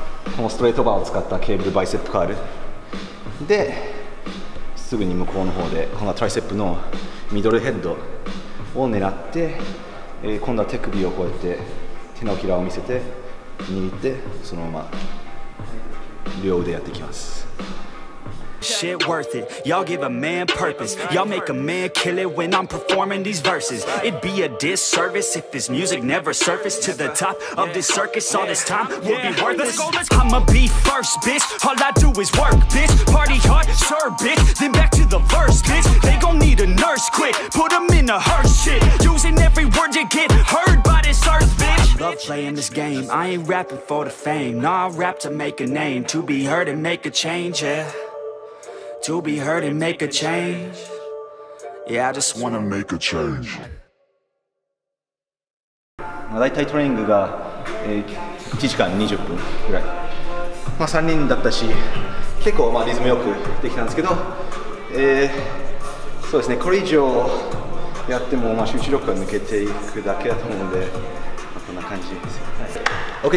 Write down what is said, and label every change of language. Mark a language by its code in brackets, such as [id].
[ja] このストレートバーを使ったケーブルバイセップカールで、すぐに向こうの方でこのトライセップのミドルヘッドを狙って、今度は手首をこうやって手のひらを見せて握って、そのまま両腕やっていきます。 [en] Shit worth it. Y'all give a man purpose. Y'all make a man kill it when I'm performing these verses. It'd be a disservice if this music never surfaced to the top of this circus. All this time will be worthless. I'ma be first, bitch. All I do is work, bitch. Party hard, sure, bitch. Then back to the verse, bitch. They gon' need a nurse, quick. Put them in a hearse, shit. Using every word to get heard by this earth, bitch. I love playing this game. I ain't rapping for the fame. Nah, I rap to make a name, to be heard and make a change, yeah. To be heard and make a change. Yeah, I just wanna make a change. [ja] だいたいトレーニングが、1時間20分ぐらい、まあ、3人だったし結構、まあ、リズムよくできたんですけど、そうですね、これ以上やっても、まあ、集中力が抜けていくだけだと思うので、まあ、こんな感じですよ、はい。